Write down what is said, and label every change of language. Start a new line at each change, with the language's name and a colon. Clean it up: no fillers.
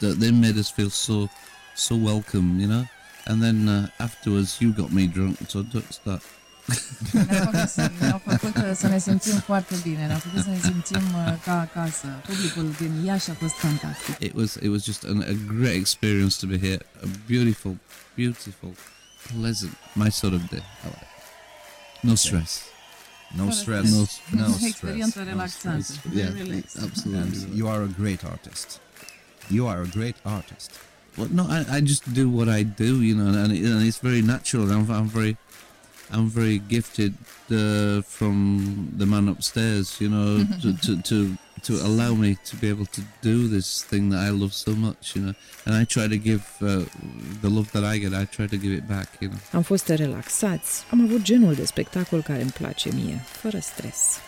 English: they made us feel so welcome, you know? And then afterwards, you got me drunk, so don't start...
Romanian: Ne-a făcut să ne simțim foarte bine, ne-a făcut să ne simțim ca acasă. Publicul din Iași a fost fantastic.
English: It was just a great experience to be here. A beautiful, beautiful, pleasant, my sort of day. No stress. No stress. No stress. No stress. No
Romanian: experiență relaxantă.
English: Yeah, absolutely. You are a great artist. You are a great artist. Well, no, I just do what I do, you know, and it's very natural. I'm very gifted from the man upstairs, you know, to allow me to be able to do this thing that I love so much, you know. And I try to give the love that I get, I try to give it back, you know.
Romanian: Am fost relaxați. Am avut genul de spectacol care îmi place mie, fără stres.